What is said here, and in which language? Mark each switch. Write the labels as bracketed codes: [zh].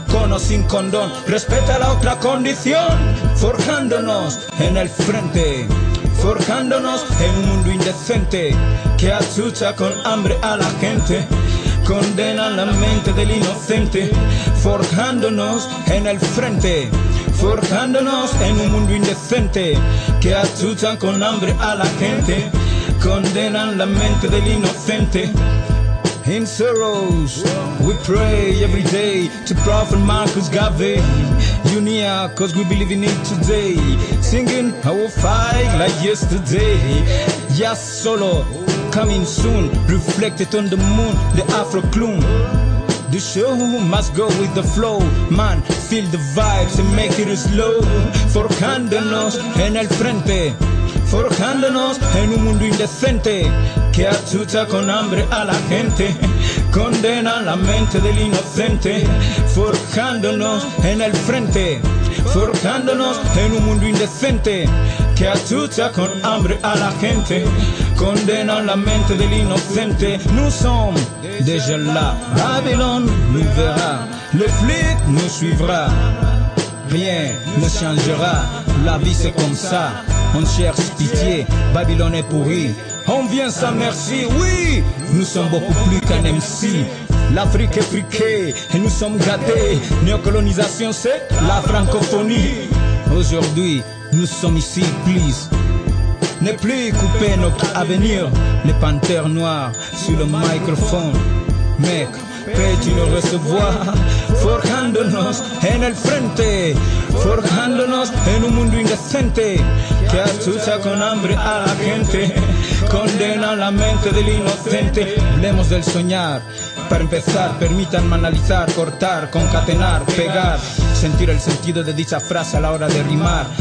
[es] Con o sin condón, respeta la otra condición. Forjándonos en el frente, forjándonos en un mundo indecente que achucha con hambre a la gente, condena la mente del inocente. Forjándonos en el frente, forjándonos en un mundo indecente que achucha con hambre a la gente, condena la mente del inocente. [en] In sorrows, we pray every day to Prophet Marcus Garvey. Unia, cause we believe in it today. Singing, I will fight like yesterday. Yes, solo, coming soon. Reflected on the moon, the Afro gloom. The show must go with the flow. Man, feel the vibes and make it slow. [es] Forjándonos en el frente. Forjándonos en un mundo indecente que achucha con hambre a la gente, condena la mente del inocente. Forjándonos en el frente, forjándonos en un mundo indecente que achucha con hambre a la gente, condena la mente del inocente. [fr] Nous sommes déjà là, Babylon nous verra, le flic nous suivra, rien ne changera, la vie c'est comme ça. On cherche pitié, Babylone est pourri. On vient sans merci, oui. Nous sommes beaucoup plus qu'un MC. L'Afrique est friquée et nous sommes gâtés. Néocolonisation c'est la francophonie. Aujourd'hui, nous sommes ici, please. Ne plus couper notre avenir. Les panthères noirs sur le microphone. Mec, peux-tu nous recevoir? [es] Forjándonos en el frente, forjándonos en un mundo indecente que achucha con hambre a la gente, condena la mente del inocente. Hablemos del soñar, para empezar, permítanme analizar, cortar, concatenar, pegar, sentir el sentido de dicha frase a la hora de rimar.